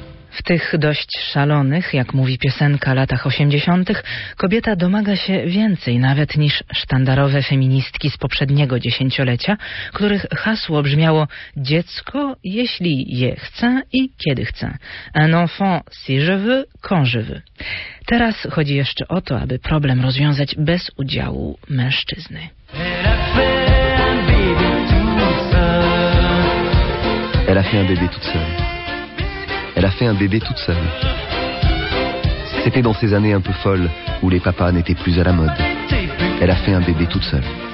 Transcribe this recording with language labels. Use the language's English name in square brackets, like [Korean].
[Polish] W tych dość szalonych, jak mówi piosenka, latach 80., kobieta domaga się więcej nawet niż sztandarowe feministki z poprzedniego dziesięciolecia, których hasło brzmiało: dziecko, jeśli je chcę i kiedy chcę. [French] Un enfant, si je veux, quand je veux. [Polish] Teraz chodzi jeszcze o to, aby problem rozwiązać bez udziału mężczyzny. [French] Elle a fait un bébé toute seule. Elle a fait un bébé toute seule. C'était dans ces années un peu folles où les papas n'étaient plus à la mode. Elle a fait un bébé toute seule.